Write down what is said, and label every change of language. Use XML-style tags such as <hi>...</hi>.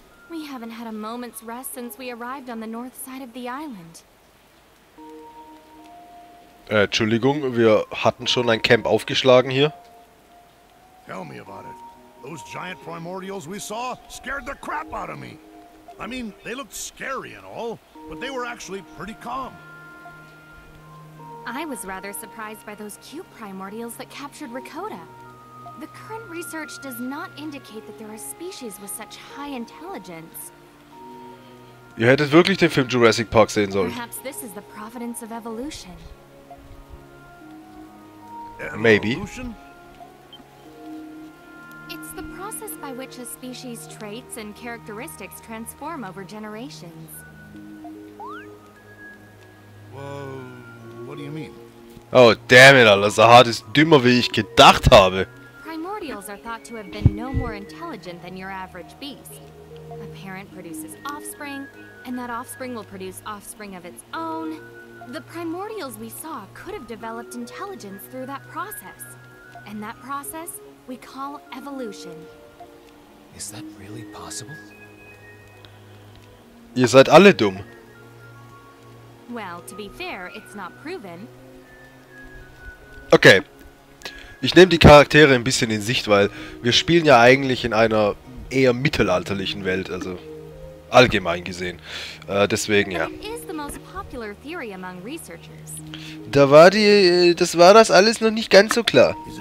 <en>We haven't had a moment's rest since we arrived on the north side of the island.</en> <de>Entschuldigung, wir hatten schon ein Camp aufgeschlagen hier.</de> <en>Tell me about it. Those giant primordials we saw scared the crap out of me. I mean, they looked scary and all, but they were actually pretty calm. I was rather surprised by those cute primordials that captured Rakota. The current research does not indicate that there are species with such high intelligence.</en> <de>Ihr hättet wirklich den Film Jurassic Park sehen sollen.</de> <en>Perhaps this is the providence of evolution. Maybe. It's the process by which a species traits and characteristics transform over generations. Well, what do you mean? Oh, damn it,</en> <de>Alter, Sahad ist dümmer, wie ich gedacht habe.</de> <en>Primordials are thought to have been no more intelligent than your average beast. A parent produces offspring, and that offspring will produce offspring of its own. The primordials we saw could have developed intelligence through that process. And that process we call evolution. Is that really possible?</en> <de>Ihr seid alle dumm.</de> <en>Well, to be fair, it's not proven. Okay.</en> <de>Ich nehme die Charaktere ein bisschen in Sicht, weil wir spielen ja eigentlich in einer eher mittelalterlichen Welt, also allgemein gesehen. Deswegen ja. Das war das alles noch nicht ganz so klar.</de>